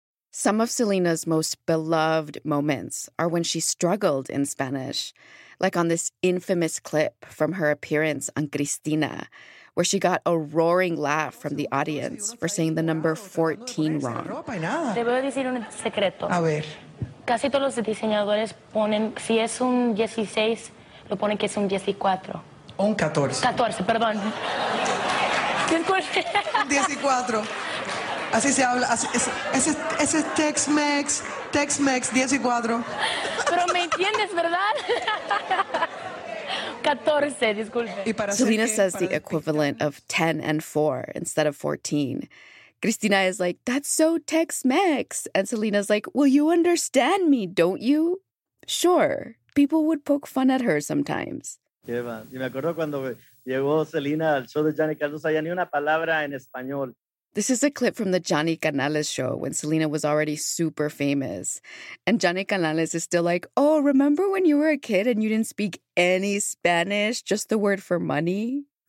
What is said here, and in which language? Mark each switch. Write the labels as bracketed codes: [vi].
[en] Some of Selena's most beloved moments are when she struggled in Spanish, like on this infamous clip from her appearance on Cristina, where she got a roaring laugh from the audience for saying the number 14 wrong. [es] Debo decir un secreto. A ver. Casi todos los diseñadores ponen, si es un 16, lo ponen que es un 14. O un 14. 14, perdón. 14. Así se habla. Ese es Tex-Mex. Tex-Mex, 14. Pero me entiendes, ¿verdad? 14, disculpe. [en] Selena says the equivalent of 10 and 4 instead of 14. Cristina is like, that's so Tex-Mex. And Selena's like, well, you understand me, don't you? Sure, people would poke fun at her sometimes. [es] Y me acuerdo cuando llegó Selena al show de Johnny Canales, no sabía ni una palabra en español. [en] This is a clip from the Johnny Canales show when Selena was already super famous. And Johnny Canales is still like, oh, remember when you were a kid and you didn't speak any Spanish, just the word for money?